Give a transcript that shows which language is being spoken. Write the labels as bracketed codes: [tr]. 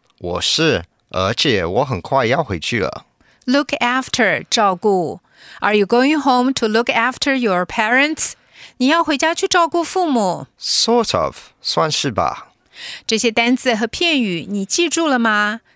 [zh] 我是,而且我很快要回去了。 [en] Look after, [zh] 照顾。 [en] Are you going home to look after your parents? [zh] 你要回家去照顾父母? [en] Sort of, [zh] 算是吧。这些单字和片语你记住了吗?